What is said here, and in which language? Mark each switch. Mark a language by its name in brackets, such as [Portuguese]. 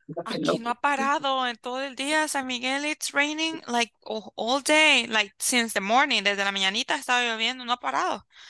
[Spanish] Aquí no ha parado en todo el día, San Miguel. [English] It's raining like all day, like since the morning. [Spanish] Desde la mañanita estaba lloviendo, no ha parado.